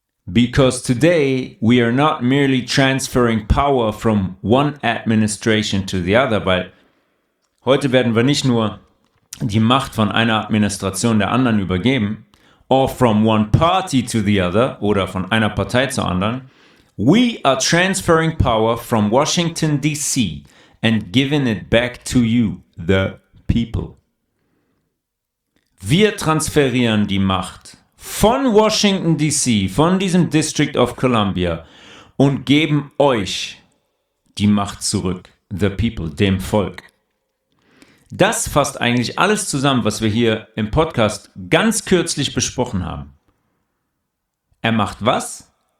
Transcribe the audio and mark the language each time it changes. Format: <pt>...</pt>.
<en>Because today we are not merely transferring power from one administration to the other,</en> <de>weil heute werden wir nicht nur die Macht von einer Administration der anderen übergeben,</de> <en>or from one party to the other,</en> <de>oder von einer Partei zur anderen.</de> <en>We are transferring power from Washington, D.C. and giving it back to you, the people.</en> <de>Wir transferieren die Macht von Washington, D.C., von diesem District of Columbia und geben euch die Macht zurück,</de> <en>the people,</en> <de>dem Volk. Das fasst eigentlich alles zusammen, was wir hier im Podcast ganz kürzlich besprochen haben. Er macht was?</de>